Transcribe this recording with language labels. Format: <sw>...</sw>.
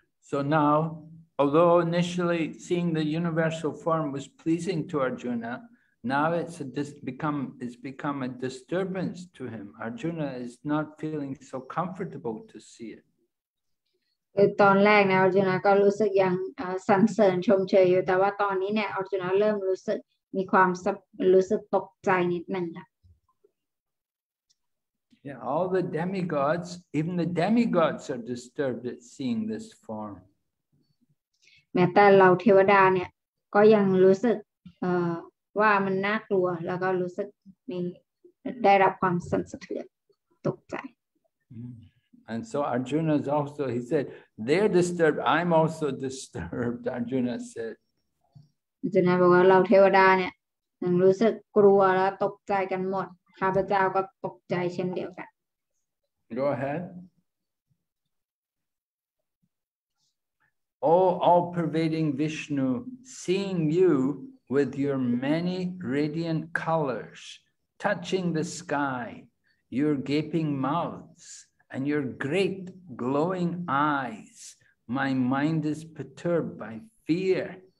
<en>So now, although initially seeing the universal form was pleasing to Arjuna, now it's become a disturbance to him. Arjuna is not feeling so comfortable to see it.</en> <th>ตอนแรกนะ Arjuna ก็รู้สึกยังสรรเสริญชมเชยอยู่แต่ว่าตอนนี้เนี่ย Arjuna เริ่มรู้สึกมีความรู้สึกตกใจนิดนึงละ</th> <en>Yeah, all the demigods, even the demigods are disturbed at seeing this form.</en> <th>แม้แต่เหล่าเทวดาเนี่ยก็ยังรู้สึกว่ามันน่ากลัวแล้วก็รู้สึกมีได้รับความสั่นสะเทือนตกใจ</th> <en>And so Arjuna is also, he said, they're disturbed, I'm also disturbed, Arjuna said.</en> <th>Arjuna บอกว่าเหล่าเทวดาเนี่ยยังรู้สึกกลัวแล้วตกใจกันหมดข้าพเจ้าก็ตกใจเช่นเดียวกัน</th> <en>Go ahead. Oh, all-pervading Vishnu, seeing you with your many radiant colors, touching the sky, your gaping mouths, and your great glowing eyes, my mind is perturbed by fear.</en>